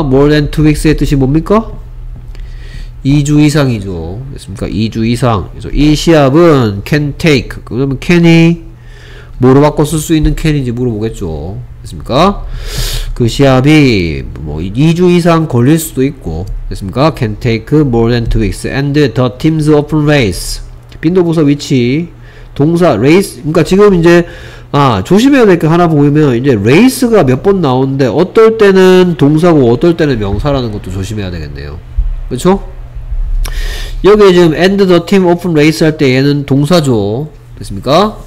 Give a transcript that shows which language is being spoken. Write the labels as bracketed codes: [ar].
[en] more than 2 weeks [ko] 의 뜻이 뭡니까? 2주 이상이죠. 됐습니까? 2주 이상. 그래서 이 시합은 can take. 그러면 can이 뭐로 바꿔 쓸 수 있는 can인지 물어보겠죠. 됐습니까? 그 시합이 뭐 2주 이상 걸릴 수도 있고. 됐습니까? [en] can take more than 2 weeks and the teams often race. [ko] 빈도 부사 위치 동사 race. 그러니까 지금 이제 아, 조심해야 될 게 하나 보이면, 이제 race가 몇 번 나오는데 어떨 때는 동사고 어떨 때는 명사라는 것도 조심해야 되겠네요. 그쵸? 여기 지금 [en] and the team often race [ko] 할 때 얘는 동사죠. 됐습니까?